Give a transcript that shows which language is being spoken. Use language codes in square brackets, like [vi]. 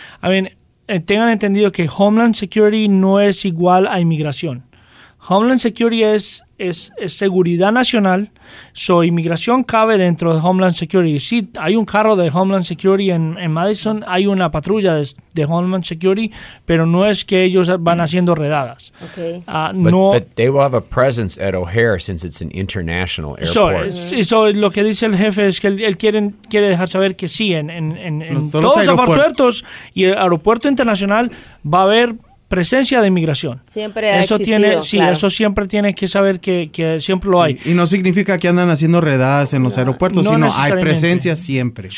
[es] Tengan entendido que Homeland Security no es igual a inmigración. Homeland Security es seguridad nacional. So, inmigración cabe dentro de Homeland Security. Sí, hay un carro de Homeland Security en Madison, hay una patrulla de Homeland Security, pero no es que ellos van haciendo redadas. [en] Okay. But they will have a presence at O'Hare since it's an international airport. [es] So, lo que dice el jefe es que él quiere dejar saber que sí, en todos los aeropuertos y el aeropuerto internacional va a haber presencia de inmigración. Siempre ha existido, tiene, sí, claro. Eso siempre tiene que saber que siempre lo hay. Y no significa que andan haciendo redadas en los aeropuertos, sino hay presencia siempre.